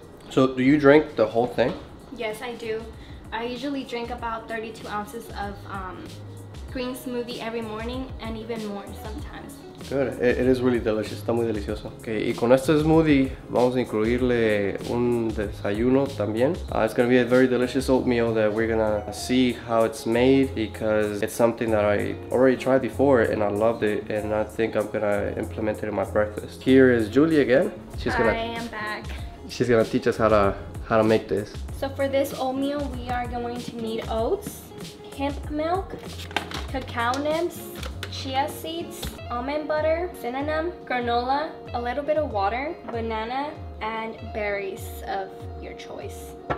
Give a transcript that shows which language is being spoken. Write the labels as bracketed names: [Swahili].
[English] So do you drink the whole thing? Yes, I do. I usually drink about 32 ounces of green smoothie every morning and even more sometimes. Good. It is really delicious. [Spanish] Está muy delicioso. Okay, y con este smoothie vamos a incluirle un desayuno también. [English] It's going to be a very delicious oatmeal that we're going to see how it's made because it's something that I already tried before and I loved it and I think I'm going to implement it in my breakfast. Here is Julie again. I am back. She's gonna teach us how to make this. So for this oatmeal, we are going to need oats, hemp milk, cacao nibs, chia seeds, almond butter, cinnamon, granola, a little bit of water, banana, and berries of your choice.